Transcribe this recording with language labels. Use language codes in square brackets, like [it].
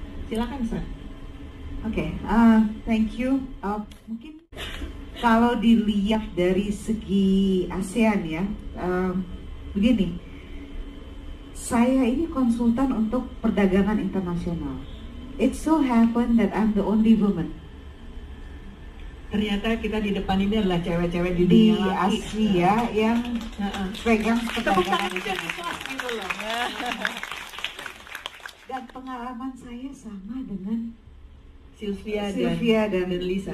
[id] Silakan San. [en] Oke, thank you. [id] Mungkin kalau dilihat dari segi ASEAN ya, begini, saya ini konsultan untuk perdagangan internasional. [en] It so happened that I'm the only woman. [id] Ternyata kita di depan ini adalah cewek-cewek di dunia di Asia ya, yang pegang perdagangan internasional. Dan pengalaman saya sama dengan Silvia dan Lisa.